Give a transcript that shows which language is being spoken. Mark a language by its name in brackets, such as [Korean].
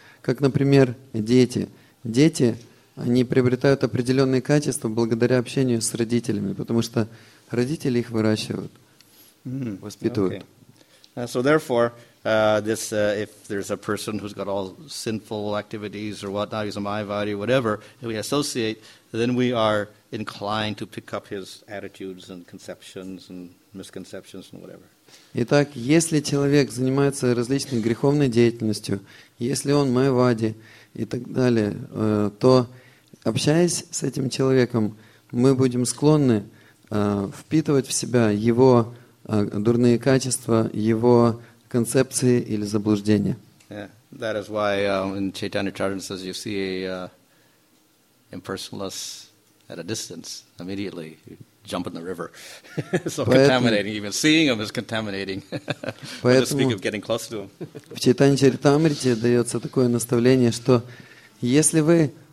[Russian] Как, например, дети. Дети, они приобретают определенные качества благодаря общению с родителями, потому что родители их выращивают, воспитывают. [English] Okay. So therefore, if there's a person who's got all sinful activities or whatnot, he's a mayavadi or whatever, and we associate, then we are inclined to pick up his attitudes and conceptions and misconceptions and whatever. [Russian] Итак, если человек занимается различной греховной деятельностью, если он майвади и так далее, то общаясь с этим человеком, мы будем склонны впитывать в себя его дурные качества, его концепции или заблуждения. [English] Yeah, that is why in Chaitanya Charitamrita says you see an impersonalist at a distance, immediately you jump in the river. So contaminating, even seeing him is contaminating. [Russian] Поэтому, [English] speak of getting close to him. [Russian] В Чайтанья Чаритамрите дается такое наставление, что если вы